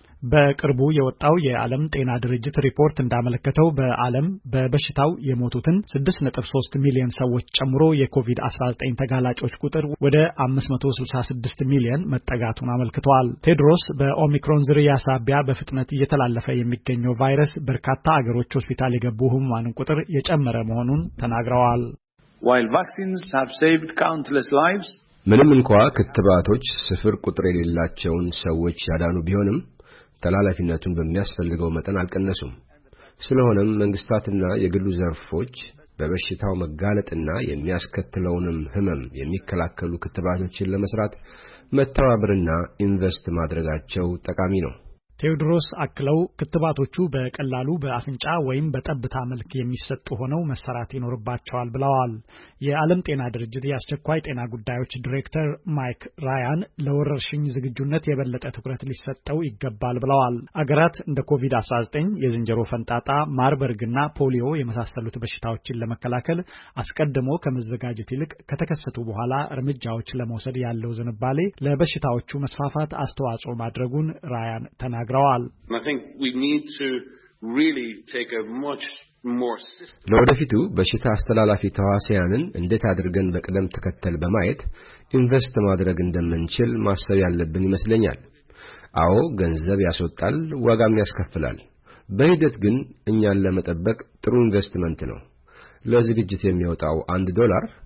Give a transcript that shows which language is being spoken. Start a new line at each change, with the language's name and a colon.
Amharic: በቅርቡ የወጣው የዓለም ጤና ድርጅት ሪፖርት እንዳመለከተው በዓለም በበሽታው የሞቱትን 6.3 ሚሊዮን ሰዎች ጨምሮ የኮቪድ-19 ተጋላጮች ቁጥር ወደ 566 ሚሊዮን መጠጋቱን አመልክቷል። ቴድሮስ በኦሚክሮን ዝርያ ሳቢያ በፍጥነት እየተላለፈ የሚገኘው ቫይረስ በርካታ አገሮች ሆስፒታል የገቡ ህሙማን ቁጥር የጨመረ መሆኑን ተናግረዋል።
English: While vaccines have saved countless lives,
Amharic: ምንም እንኳን ክትባቶች ስፍር ቁጥር የሌላቸውን ሰዎች ያዳኑ ቢሆንም ተላላፊነቱን በሚያስፈልገው መጠን አልቀነሱም። ስለሆነም መንግስታትና የግሉ ዘርፎች በበሽታው መጋለጥና የሚያስከትለውንም ህመም የሚከላከሉ ክትባቶችን ለመስራት መተባበርና ኢንቨስት ማድረጋቸው ጠቃሚ ነው። ቴዎድሮስ አክለው ክትባቶቹ በቀላሉ በአፍንጫ ወይም በጠብታ መልክ የሚሰጡ ሆነው መሰራት ይኖርባቸዋል ብለዋል። የዓለም ጤና ድርጅት የአስቸኳይ ጤና ጉዳዮች ዳይሬክተር ማይክ ራያን ለወረርሽኝ ዝግጁነት የበለጠ ትኩረት ሊሰጠው ይገባል ብለዋል። አገራት እንደ ኮቪድ-19፣ የዝንጀሮ ፈንጣጣ፣ ማርበርግና ፖሊዮ የመሳሰሉት በሽታዎችን ለመከላከል አስቀድሞ ከመዘጋጀት ይልቅ ከተከሰቱ በኋላ እርምጃዎች ለመውሰድ ያለው ዝንባሌ ለበሽታዎቹ መስፋፋት አስተዋጽኦ ማድረጉን ራያን ተናግረዋል።
English: I think we need to really take a much more systematic
Amharic: ለወደፊቱ በሽታ አስተላላፊ ተዋሲያንን እንዴት አድርገን በቅደም ተከተል በማየት ኢንቨስት ማድረግ እንደምንችል ማሰብ ያለብን ይመስለኛል። አዎ ገንዘብ ያስወጣል፣ ዋጋም ያስከፍላል። በሂደት ግን እኛን ለመጠበቅ ጥሩ ኢንቨስትመንት ነው። ለዝግጅት የሚወጣው 1 ዶላር